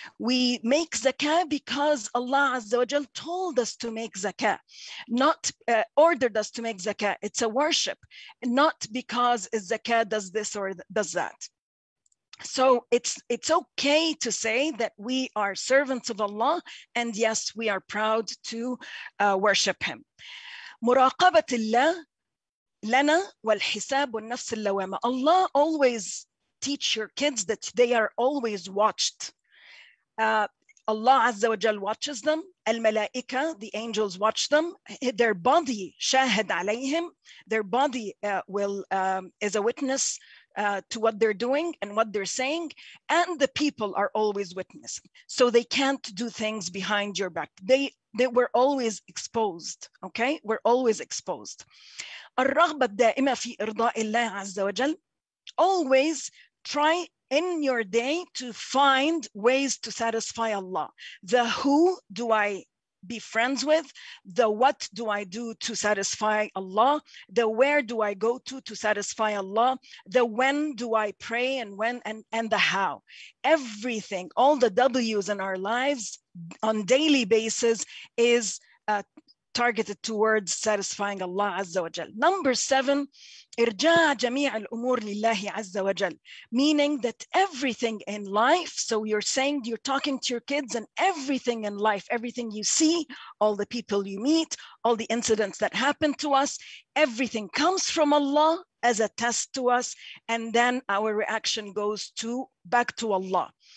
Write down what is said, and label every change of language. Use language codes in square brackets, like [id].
[en] We make zakah because Allah Azza wa Jal told us to make zakah, not ordered us to make zakah. It's a worship, not because zakah does this or does that. So it's okay to say that we are servants of Allah, and yes, we are proud to worship Him. [ar] مراقبت الله لنا والحساب والنفس اللوامة. [en] Allah always teach your kids that they are always watched. Allah Azza wa Jal watches them. الملائكة, the angels watch them. Their body [ar] شاهد عليهم. [en] Their body is a witness to what they're doing and what they're saying, and the people are always witnessing. So they can't do things behind your back. They were always exposed, okay? We're always exposed. [ar] الرغبة الدائمة في إرضاء الله عز وجل. [en] Always try in your day to find ways to satisfy Allah. The who do I be friends with, the what do I do to satisfy Allah, the where do I go to satisfy Allah, the when do I pray, and when, and the how. Everything, all the W's in our lives on daily basis is targeted towards satisfying Allah Azza wa Jal. Number 7, [ar] إرجاع جميع الأمور لله عز وجل. [en] Meaning that everything in life, so you're saying, you're talking to your kids, and everything in life, everything you see, all the people you meet, all the incidents that happen to us, everything comes from Allah as a test to us, and then our reaction goes to back to Allah.